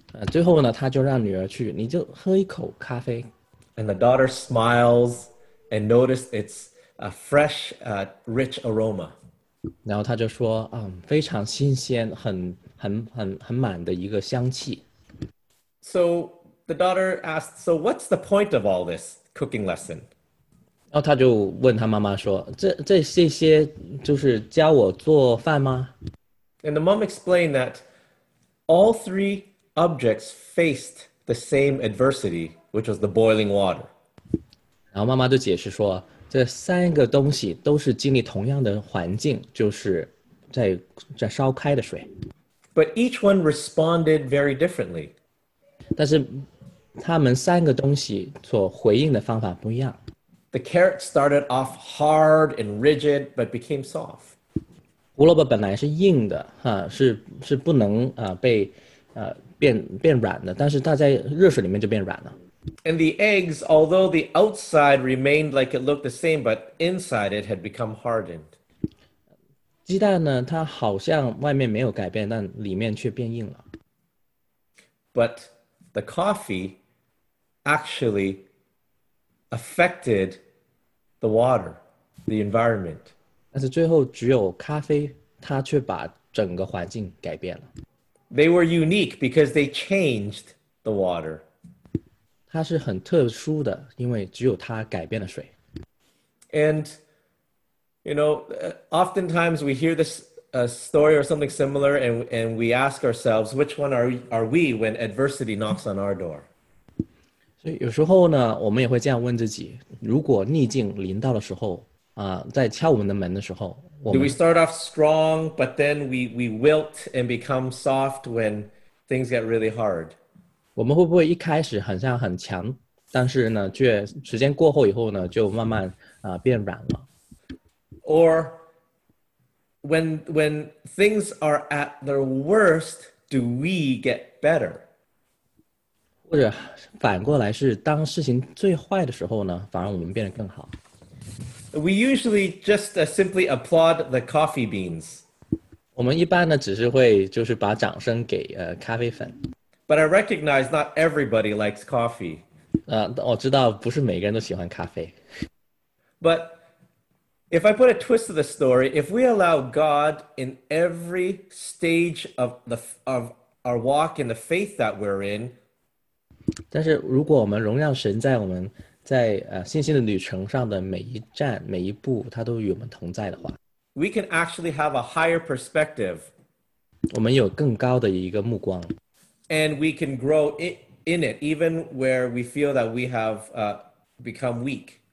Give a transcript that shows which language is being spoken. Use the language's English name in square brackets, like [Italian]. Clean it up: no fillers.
[Chinese] 最后呢，她就让女儿去，你就喝一口咖啡。 [English] And the daughter smiles and noticed it's a fresh, rich aroma. [Chinese] 然后她就说，非常新鲜，很满的一个香气。 [English] So,The daughter asked, "So what's the point of all this cooking lesson?" [Chinese] 然后他就问他妈妈说，这些就是教我做饭吗？ [English] And the mom explained that all three objects faced the same adversity, which was the boiling water. [Chinese] 然后妈妈就解释说，这三个东西都是经历同样的环境，就是在烧开的水。 [English] But each one responded very differently. [Chinese] 但是他们三个东西所回应的方法不一样。 [English] The carrot started off hard and rigid, but became soft. [Chinese] 胡萝卜本来是硬的，是不能被变软的，但是它在热水里面就变软了。 [English] And the eggs, although the outside remained like it looked the same, but inside it had become hardened. [Chinese] 鸡蛋呢，它好像外面没有改变，但里面却变硬了。 [English] But the coffee actually affected the water, the environment. [Chinese] 但是最后只有咖啡，它却把整个环境改变了。 [English] They were unique because they changed the water. [Chinese] 它是很特殊的，因为只有它改变了水。 [English] And, you know, oftentimes we hear this. A story or something similar, and we ask ourselves, which one are we when adversity knocks on our door? [Chinese] So, 有时候呢，我们也会这样问自己：如果逆境临到的时候，在敲我们的门的时候， [English] do we start off strong, but then we wilt and become soft when things get really hard? [Chinese] 我们会不会一开始很像很强，但是呢，却时间过后以后呢，就慢慢变软了 [English] ？Or When things are at their worst, do we get better? [Chinese] 或者反过来是当事情最坏的时候呢，反而我们变得更好。 [English] We usually just simply applaud the coffee beans. [Chinese] 我们一般呢只是会就是把掌声给咖啡粉。 [English] But I recognize not everybody likes coffee. [Chinese] 我知道不是每个人都喜欢咖啡。 [English] But if I put a twist to the story, if we allow God in every stage of our walk in the faith that we're in, [Chinese] 但是如果我们荣耀神在我们在信心的旅程上的每一站每一步，他都与我们同在的话， [English] we can actually have a higher perspective. [Chinese] 我们有更高的一个目光， [English] and we can grow in it even where we feel that we have become weak.